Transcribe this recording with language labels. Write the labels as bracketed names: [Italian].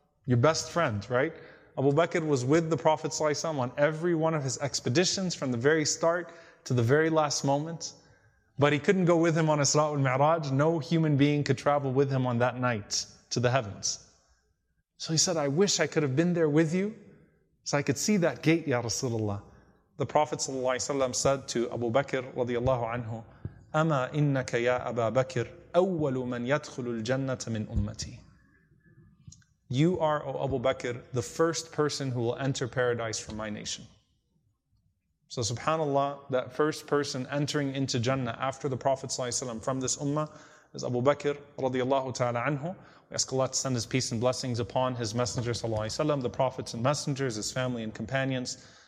[English] Your best friend, right? Abu Bakr was with the Prophet ﷺ on every one of his expeditions from the very start to the very last moment. But he couldn't go with him on Isra al-Mi'raj. No human being could travel with him on that night to the heavens. So he said, I wish I could have been there with you so I could see that gate, Ya Rasulullah. The Prophet ﷺ said to Abu Bakr radiallahu anhu, [Arabic] أَمَا إِنَّكَ يَا أَبَا بَكِرْ أَوَّلُ مَنْ يَدْخُلُ الْجَنَّةَ مِنْ أُمَّتِي. [English] You are, O Abu Bakr, the first person who will enter paradise from my nation. So subhanAllah, that first person entering into Jannah after the Prophet ﷺ from this ummah is Abu Bakr radiallahu ta'ala anhu. We ask Allah to send His peace and blessings upon His Messenger ﷺ, the Prophets and Messengers, His family and companions.